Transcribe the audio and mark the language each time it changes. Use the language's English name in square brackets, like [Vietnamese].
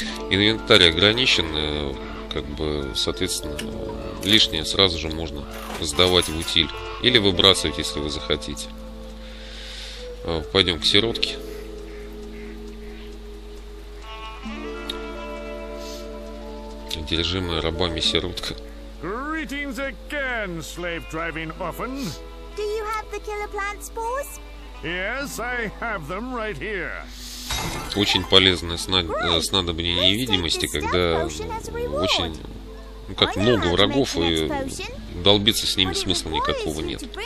[Russian] Инвентарь ограничен, как бы, соответственно, лишнее сразу же можно сдавать в утиль или выбрасывать, если вы захотите. Пойдем к сиротке. Одержимая рабами сиротка. [English] Greetings again, slave driving orphan. Do you have the killer plant spores? Yes, I have them right here. [Russian] Очень полезное снадобье невидимости, когда очень, ну, как много врагов, и долбиться с ними смысла никакого нет.